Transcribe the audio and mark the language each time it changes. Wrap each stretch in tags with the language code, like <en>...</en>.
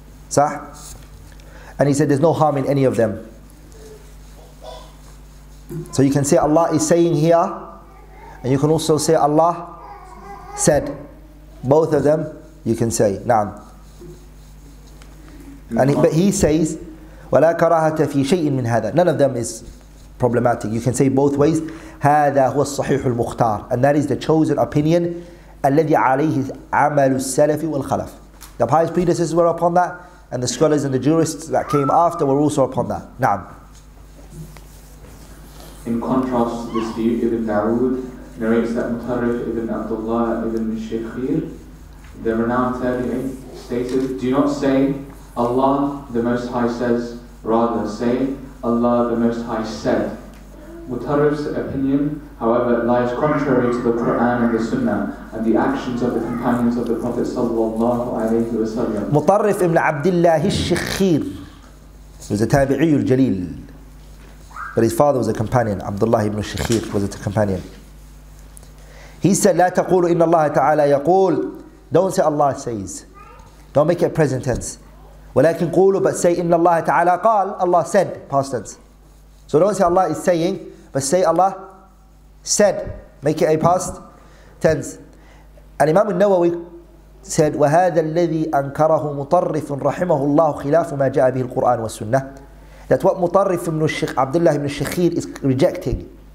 <ar>صح?</ar> <en>And he said, there's no harm in any of them. So you can say, Allah is saying here, and you can also say, Allah said. Both of them, you can say,</en> <ar>نعم.</ar> <en>And he, but he says,</en> <ar>وَلَا كَرَاهَةَ فِي شَيْءٍ مِّنْ هَذَا.</ar> <en>None of them is problematic. You can say both ways.</en> <ar>هَذَا هُوَ الصَّحِيحُ الْمُخْتَارِ.</ar> <en>And that is the chosen opinion</en> <ar>الَّذِي عَلَيْهِ عَمَلُ السَّلَفِ وَالْخَلَفِ.</ar> <en>The pious predecessors were upon that, and the scholars and the jurists that came after were also upon that.</en> <ar>نعم.</ar> <en>In contrast to this view, Ibn Dawood narrates that Mutarif Ibn Abdullah Ibn Shaykhir, the renowned tabi'in, stated, do not say Allah the Most High says, rather say, Allah the Most High said. Mutarif's opinion, however, lies contrary to the Quran and the Sunnah and the actions of the companions of the Prophet sallallahu alayhi wa sallam. Mutarif ibn Abdullah al-Shikhir was a tabi'i al-jalil. But his father was a companion. Abdullah ibn al-Shikhir was a companion. He said,</en> <ar>لَا تَقُولُ إِنَّ اللَّهَ تَعَالَى يَقُولُ.</ar> <en>Don't say Allah says. Don't make it a present tense.</en> <ar>وَلَكِنْ قُولُوا</ar> <en>but say</en> <ar>إِنَّ اللَّهَ تَعَالَىٰ قَالْ.</ar> <en>Allah said, past tense. So don't say Allah is saying, but say Allah said. Make it a past tense. And Imam al-Nawawi said,</en> <ar>وَهَذَا الَّذِي أَنْكَرَهُ مُطَرِّفٌ رَحِمَهُ اللَّهُ خِلَافُ مَا جَاءَ بِهِ الْقُرْآنِ وَالسُّنَّةِ.</ar> <en>That what Mutarrif ibn al-Shaykh, Abdullah ibn al-Shakhir is rejecting.</en>